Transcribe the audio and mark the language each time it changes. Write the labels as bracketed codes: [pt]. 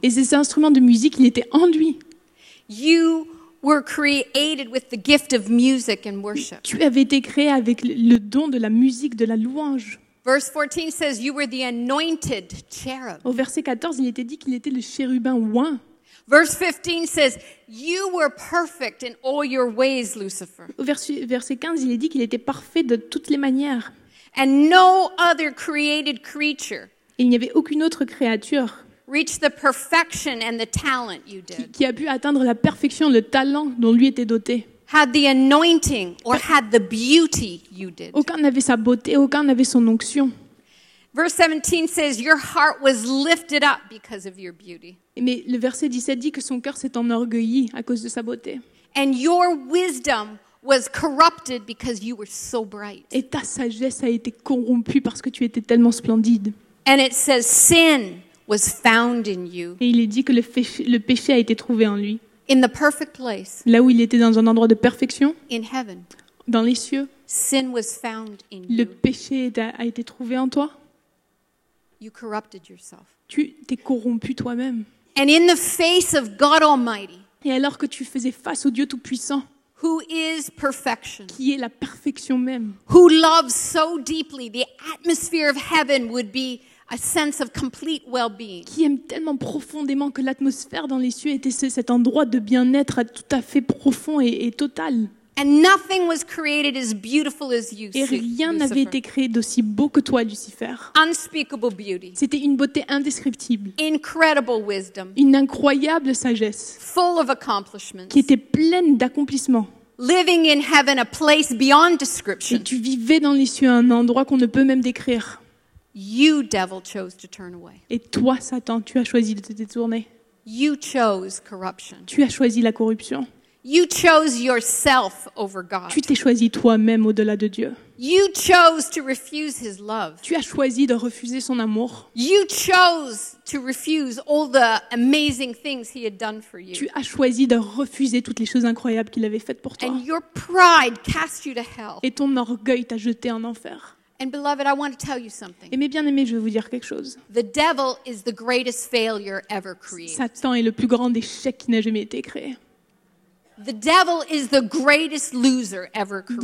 [fr] Et ces instruments de musique, ils étaient en lui. [en] You were created with the gift of music and worship. [fr] Tu avais été créé avec le don de la musique, de la louange. [en] Verse 14 says you were the anointed cherub. [fr] Au verset 14, il était dit qu'il était le chérubin oint. [en] Verse 15 says you were perfect in all your ways, Lucifer. [fr] Au verset 15, il est dit qu'il était parfait de toutes les manières. [en] And no other created creature. [fr] Et il n'y avait aucune autre créature. [en] reach the perfection and the talent you did. [fr] Qui a pu atteindre la perfection, le talent dont lui était doté. [en] Had the anointing or had the beauty you did. [fr] Aucun n'avait sa beauté, aucun n'avait son onction. [en] Verse 17 says your heart was lifted up because of your beauty. [fr] Mais le verset 17 dit que son cœur s'est enorgueilli à cause de sa beauté. [en] And your wisdom was corrupted because you were so bright. [fr] Et ta sagesse a été corrompue parce que tu étais tellement splendide. [en] And it says sin was found in you. [fr] Et il est dit que le péché a été trouvé en lui. [en] In the perfect place. [fr] Là où il était dans un endroit de perfection. [en] In heaven. [fr] Dans les cieux. [en] Sin was found in [fr] you. Le péché a été trouvé en toi. [en] You corrupted yourself. [fr] Tu t'es corrompu toi-même. [en] And in the face of God Almighty. [fr] Et alors que tu faisais face au Dieu Tout-Puissant. [en] Who is perfection? [fr] Qui est la perfection même? [en] Who loves so deeply, the atmosphere of heaven would be a sense of complete well-being. [fr] Qui aime tellement profondément que l'atmosphère dans les cieux était cet endroit de bien-être tout à fait profond et total. [en] And nothing was created as beautiful as you, [fr] et rien n'avait été créé d'aussi beau que toi, Lucifer. [en] Unspeakable beauty. [fr] C'était une beauté indescriptible. [en] Incredible wisdom. [fr] Une incroyable sagesse. [en] Full of accomplishments. [fr] Qui était pleine d'accomplissements. [en] Living in heaven, a place beyond description. [fr] Et tu vivais dans les cieux, un endroit qu'on ne peut même décrire. [en] You, devil, chose to turn away. [fr] Et toi, Satan, tu as choisi de te détourner. [en] You chose corruption. [fr] Tu as choisi la corruption. [en] You chose yourself over God. [fr] Tu t'es choisi toi-même au-delà de Dieu. [en] You chose to refuse his love. [fr] Tu as choisi de refuser son amour. [en] You chose to refuse all the amazing things he had done for you. [fr] Tu as choisi de refuser toutes les choses incroyables qu'il avait faites pour toi. [en] And your pride cast you to hell. [fr] Et ton orgueil t'a jeté en enfer. [en] And beloved, I want to tell you something. [fr] Et mes bien-aimés, je vais vous dire quelque chose. [en] The devil is the greatest failure ever created. [fr] Satan est le plus grand échec qui n'a jamais été créé. [en] The devil is the greatest loser ever created.